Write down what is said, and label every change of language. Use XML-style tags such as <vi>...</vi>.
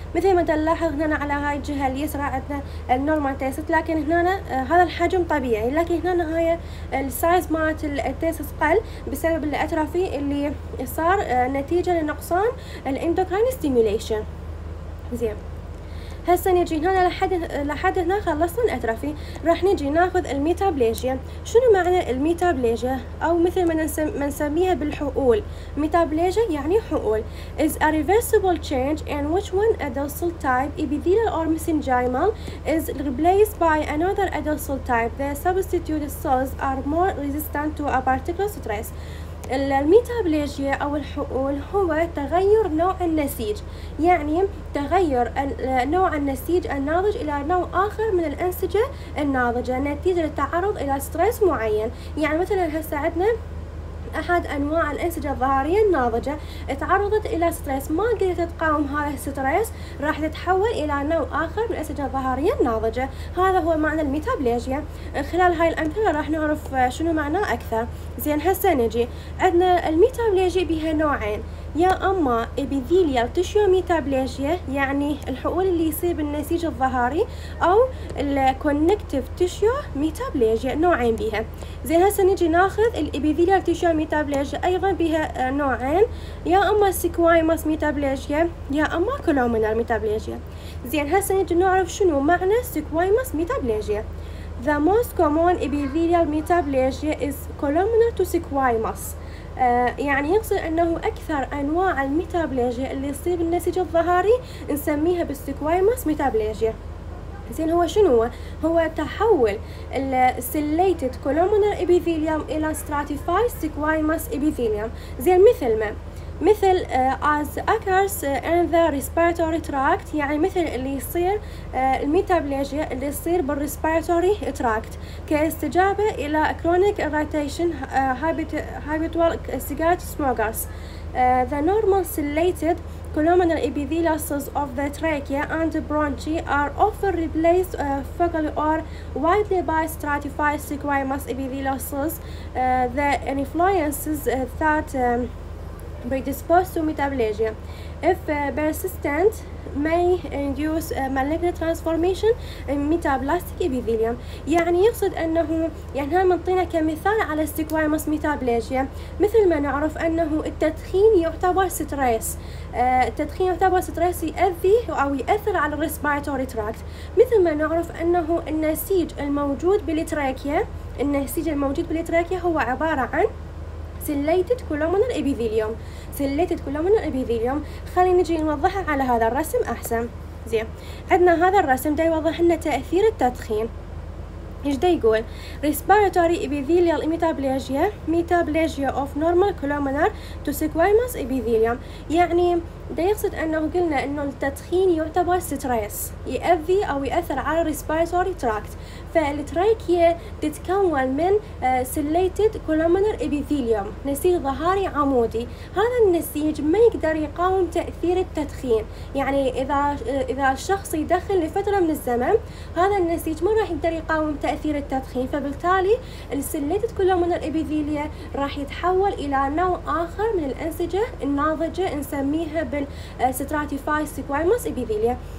<ar>مثل ما تلاحظ هنا على هاي الجهه اليسرى عندنا النورمال تيسس، لكن هنا هذا الحجم طبيعي، لكن هنا هاي السايز مالت التيسس قل بسبب الاترافي اللي صار نتيجه لنقصان الاندوكراين ستيميوليشن. زين هسه نجي هنا لحد هنا خلصنا الاترافي، راح نجي ناخذ الميتابليجيا. شنو معنى الميتابليجيا او مثل ما نسميها بالحقول، ميتابليجيا يعني حقول.</ar> <en>is a reversible change in which one adult cell type epithelial or mesenchymal is replaced by another adult cell type. the substituted cells are more resistant to a particular stress.</en> <ar>الميتابليجيا او الحقول هو تغير نوع النسيج، يعني تغير نوع النسيج الناضج الى نوع اخر من الانسجة الناضجة نتيجة للتعرض الى ستريس معين. يعني مثلا هسه عندنا احد انواع الانسجة الظهرية الناضجة تعرضت الى ستريس ما قدرت تقاوم هذا الستريس، راح تتحول الى نوع اخر من الانسجة الظهرية الناضجة. هذا هو معنى الميتابليجيا. خلال هاي الامثلة راح نعرف شنو معناه اكثر. زين هسه نجي عندنا الميتابليجيا بها نوعين، يا اما ابيثيليال تشيو ميتابليجيا يعني الحقول اللي يصيب النسيج الظهري، او الكونكتيف تشيو ميتابليجيا نوعين بها. زين هسه نجي ناخذ الابيثيليال تشيو ميتابليجيا ايضا بها نوعين، يا اما سكوايموس ميتابليجيا يا اما كولومينال ميتابليجيا. زين هسه نجي نعرف شنو معنى سكوايموس ميتابليجيا.</ar> <en>The most common epithelial metaplasia is columnar to squamous.</en> <ar>يعني يقصد أنه أكثر أنواع الميتابليجيا اللي يصيب النسيج الظهري نسميها بالسكوايموس ميتابليجيا. زين هو شنو هو؟ هو تحول السليتد كولومنر إبيثيليوم إلى ستراتيفايد سكوايموس إبيثيليوم. زين مثل ما؟ مثل</ar> <en>as occurs in the respiratory tract،</en> <ar>يعني مثل اللي يصير الميتابليجيا اللي يصير بال</ar> <en>respiratory tract</en> <ar>كاستجابة إلى</ar> <en>chronic irritation habitual cigarette smokers. The normal cellated columnar epithelial cells of the trachea and bronchi are often replaced focally or widely by stratified squamous epithelial cells. The influences that predisposed to metaplasia if persistent may induce malignant transformation in metaplastic epithelium.</en> <ar>يعني يقصد انه يعني هم منطينا كمثال على سكوايموس ميتابليجيا. مثل ما نعرف انه التدخين يعتبر ستريس، التدخين يعتبر ستريس يؤذي او يأثر على الريسبيراتوري تراكت. مثل ما نعرف انه النسيج الموجود بالتراكيا، النسيج الموجود بالتراكيا هو عبارة عن سليتد كولومنر ابيثيليوم، سليتد كولومنر ابيثيليوم. خلينا نجي نوضحها على هذا الرسم احسن. زين عندنا هذا الرسم دا يوضح لنا تاثير التدخين. ايش دا يقول؟</ar> <en>respiratory epithelial metaplasia metaplasia of normal columnar to squamous epithelium.</en> <ar>يعني دا يقصد انه قلنا انه التدخين يعتبر ستريس يؤذي او يأثر على</ar> <en>respiratory tract،</en> <ar>فالتراكية تتكون من</ar> <en>cellated columnar epithelium</en> <ar>نسيج ظهاري عمودي. هذا النسيج ما يقدر يقاوم تأثير التدخين، يعني إذا الشخص يدخن لفترة من الزمن هذا النسيج ما راح يقدر يقاوم تأثير التدخين، فبالتالي</ar> <en>cellated columnar epithelia</en> <ar>راح يتحول إلى نوع آخر من الأنسجة الناضجة نسميها بال</ar> <en>stratified squamous epithelia.</en>